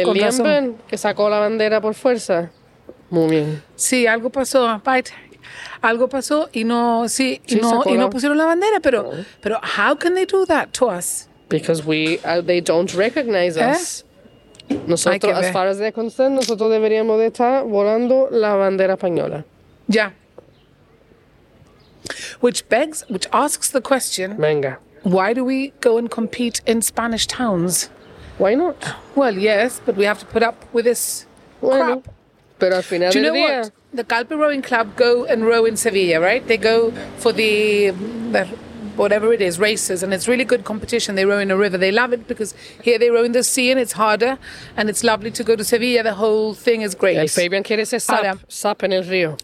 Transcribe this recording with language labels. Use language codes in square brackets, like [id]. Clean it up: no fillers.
[es] El Liam Byrne, que sacó la bandera por fuerza. Muy bien. Sí, algo pasó. Bye, Terry. Algo pasó y no, sí, sí no, y no pusieron la bandera. Pero, no. Pero [en] how can they do that to us? Because they don't recognize us. [es] Nosotros, [en] as far as they're concerned, [es] nosotros deberíamos de estar volando la bandera española. Ya. [en] Yeah. Which asks the question, [es] Venga. [en] Why do we go and compete in Spanish towns? Why not? Well, yes, but we have to put up with this [es] bueno, [en] crap. [es] Pero al final [en] do you know [es] día. [en] What? The Galpa Rowing Club go and row in Sevilla, right? They go for the whatever it is, races, and it's really good competition. They row in a river. They love it because here they row in the sea and it's harder, and it's lovely to go to Sevilla. The whole thing is great. [es] El Fabian quiere ser sap en el río.